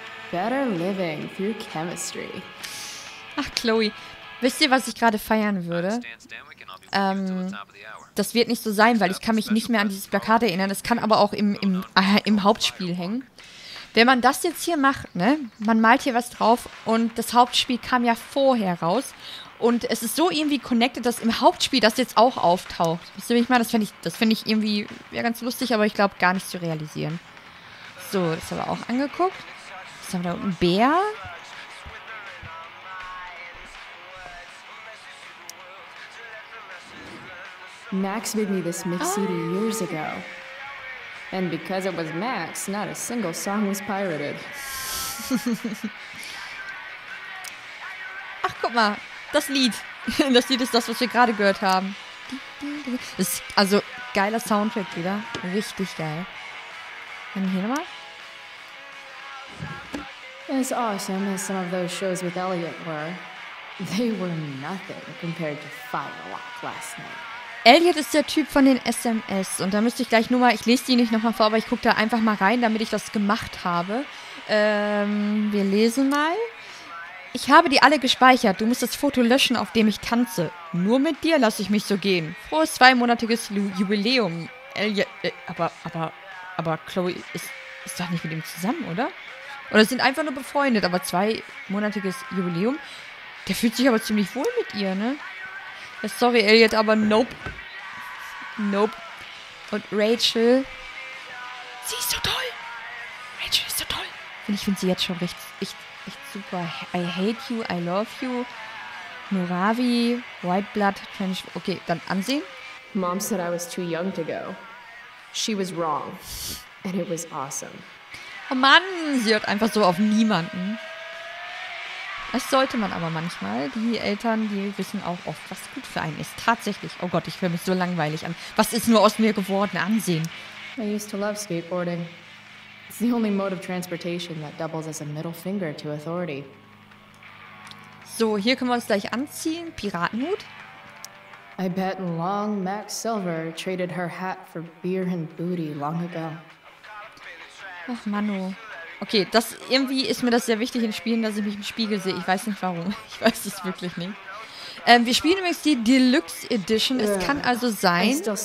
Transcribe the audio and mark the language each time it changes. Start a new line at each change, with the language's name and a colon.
English: Better living through chemistry.
German: Ach, Chloe. Wisst ihr, was ich gerade feiern würde? Das wird nicht so sein, weil ich kann mich nicht mehr an dieses Plakat erinnern. Das kann aber auch im Hauptspiel hängen. Wenn man das jetzt hier macht, ne? Man malt hier was drauf und das Hauptspiel kam ja vorher raus. Und es ist so irgendwie connected, dass im Hauptspiel das jetzt auch auftaucht. Wisst ihr, wie ich meine? Das finde ich irgendwie ja, ganz lustig, aber ich glaube gar nicht zu realisieren. So, das haben wir auch angeguckt. Was haben wir da unten? Bär?
English: Max made me this mix CD years ago. And because it was Max, not a single song was pirated.
German: Ach, guck mal. Das Lied. Das Lied ist das, was wir gerade gehört haben. Das ist also geiler Soundtrack wieder. Richtig geil. Und hier nochmal.
English: As awesome as some of those shows with Elliot were, they were nothing compared to Firewalk last night.
German: Elliot ist der Typ von den SMS und da müsste ich gleich nur mal, ich lese die nicht nochmal vor, aber ich gucke da einfach mal rein, damit ich das gemacht habe. Wir lesen mal. Ich habe die alle gespeichert, du musst das Foto löschen, auf dem ich tanze. Nur mit dir lasse ich mich so gehen. Frohes zweimonatiges Jubiläum. Elliot, aber Chloe ist doch nicht mit ihm zusammen, oder? Oder sind einfach nur befreundet, aber zweimonatiges Jubiläum? Der fühlt sich aber ziemlich wohl mit ihr, ne? Sorry, Elliot, aber nope. Nope. Und Rachel. Sie ist so toll. Rachel ist so toll. Und ich finde sie jetzt schon echt super.
English: I hate you, I love you. Moravi, White Blood, French.
German: Okay, dann ansehen.
English: Mom said I was too young to go. She was wrong. And it was awesome.
German: Oh Mann, sie hört einfach so auf niemanden. Das sollte man aber manchmal. Die Eltern, die wissen auch oft, was gut für einen ist. Tatsächlich. Oh Gott, ich höre mich so langweilig an. Was ist nur aus mir geworden? Ansehen.
English: I used to love skateboarding. It's the only mode of transportation that doubles as a middle finger to authority.
German: So, hier können wir uns gleich anziehen. Piratenhut.
English: I bet Long Max Silver traded her hat for beer and booty long ago.
German: Ach, Manu. Okay, das irgendwie ist mir das sehr wichtig in Spielen, dass ich mich im Spiegel sehe. Ich weiß nicht warum. Ich weiß es wirklich nicht. Wir spielen übrigens die Deluxe Edition. Es kann also sein.